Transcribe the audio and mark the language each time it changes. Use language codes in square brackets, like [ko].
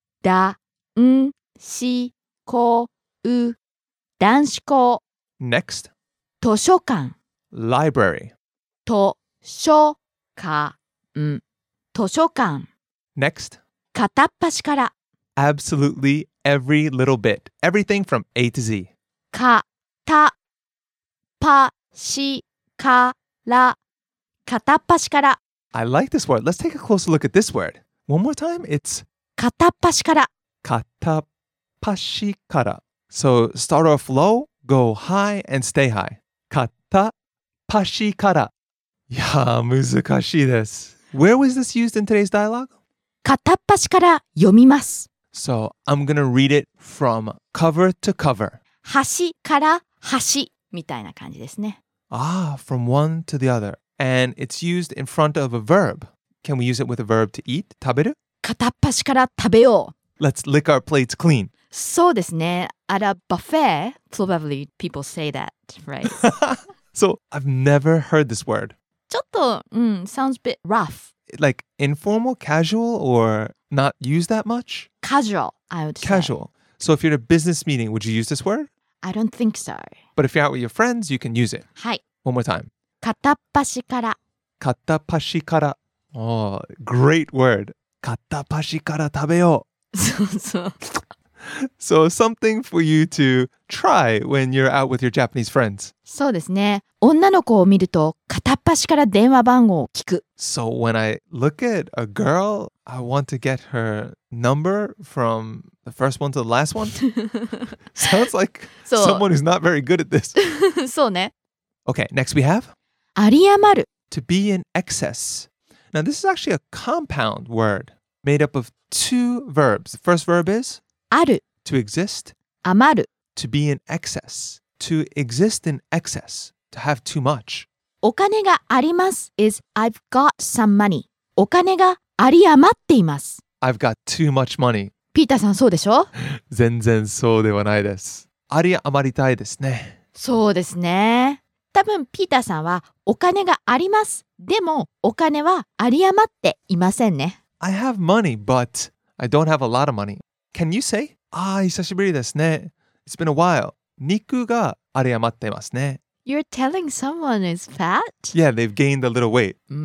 [ja] 男子校男子校 [en] Next [ja] 図書館 [en] Library [ja] 図書館図書館 [en] Next [ja] 片っ端から [en] Absolutely every little bit Everything from A to Z [ja] 片っ端から片っ端から [en] I like this word. Let's take a closer look at this word. One more time. It's [ja] 片っ端から片っ端から [en] So start off low, go high, and stay high. [ja] 片っ端から いやー、難しいです。 [en] Where was this used in today's dialogue? [ja] 片っ端から読みます。 [en] So I'm gonna read it from cover to cover. [ja] 端から端みたいな感じですね。 [en] Ah, from one to the other. And it's used in front of a verb. Can we use it with a verb to eat? [ja] 食べる? 片っ端から食べよう。 [en] Let's lick our plates clean. [ja] そうですね。 [en] At a buffet, probably people say that, right? So, I've never heard this word. ちょっと、sounds a bit rough. Like informal, casual, or not used that much? Casual, I would say. Casual. So, if you're at a business meeting, would you use this word? I don't think so. But if you're out with your friends, you can use it. [ja] はい。 [en] One more time. [ja] 片っ端から。片っ端から。 [en] Oh, great word. [ja] 片っ端から食べよう。そうそう。 [en] So something for you to try when you're out with your Japanese friends. [ja] そうですね。女の子を見ると片っ端から電話番号を聞く。 [en] So when I look at a girl, I want to get her number from the first one to the last one. Sounds like someone who's not very good at this. [ja] そうね。 [en] Okay, next we have? [ja] あり余る。 [en] To be in excess. Now this is actually a compound word made up of two verbs. The first verb is? [ja] ある [en] To exist [ja] 余る [en] To be in excess To exist in excess To have too much [ja] お金があります [en] is I've got some money [ja] お金があり余っています [en] I've got too much money [ja] ピーターさんそうでしょ全然そうではないですあり余りたいですねそうですね多分ピーターさんはお金がありますでもお金はあり余っていませんね [en] I have money but I don't have a lot of moneyCan you say? Ah, [ja] 久しぶりですね。 [en] It's been a while. [ja] 肉が有り余ってますね。 [en] You're telling someone is fat? Yeah, they've gained a little weight.